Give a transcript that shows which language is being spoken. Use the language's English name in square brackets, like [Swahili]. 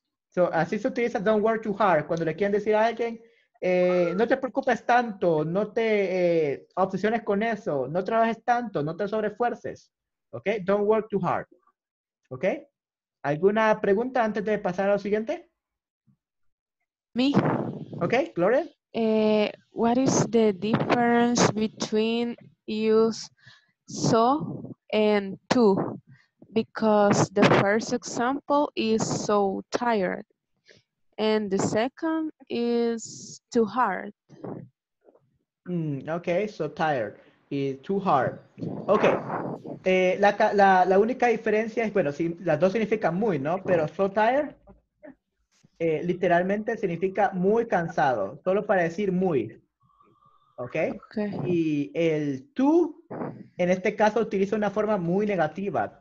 [Spanish] So, así se utiliza [English] don't work too hard [Spanish] cuando le quieren decir a alguien, no te preocupes tanto, no te obsesiones con eso, no trabajes tanto, no te sobre esfuerces. [English] Okay, don't work too hard. [Spanish] Okay, ¿alguna pregunta antes de pasar a lo siguiente? [English] Me. Okay, Gloria. What is the difference between use so and to? Because the first example is so tired, and the second is too hard. Okay, so tired is too hard. [Spanish] Okay, la única diferencia es, bueno, si las dos significan muy, ¿no? Pero [English] so tired. [Spanish] Literalmente significa muy cansado, solo para decir muy. ¿Okay? ¿Ok? Y el tú, en este caso, utiliza una forma muy negativa.